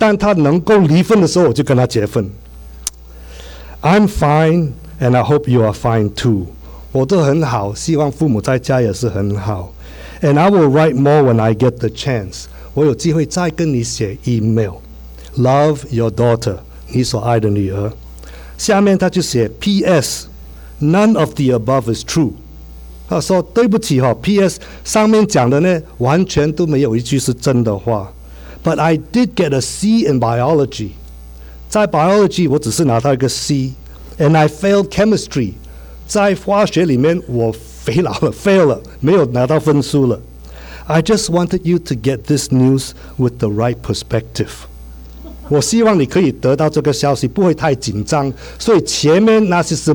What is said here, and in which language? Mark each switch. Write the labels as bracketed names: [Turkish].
[Chinese] 他说，我跟保罗很快就会结婚，一旦他能够离婚的时候，我就跟他结婚。 [English] I'm fine, and I hope you are fine too. [Chinese] 我都很好，希望父母在家也是很好。 [English] And I will write more when I get the chance. [Chinese] 我有机会再跟你写email. [English] Love your daughter, [Chinese] 你所爱的女儿。下面他就写PS, [English] none of the above is true. [Chinese] 他说对不起哦，PS 上面讲的呢，完全都没有一句是真的话。 [English] But I did get a C in biology. [Chinese] 在biology我只是拿到一个C。 [English] And I failed chemistry. [Chinese] 在化学里面我废了，没有拿到分数了。 [English] I just wanted you to get this news with the right perspective. [Chinese] 我希望你可以得到这个消息，不会太紧张。所以前面那些是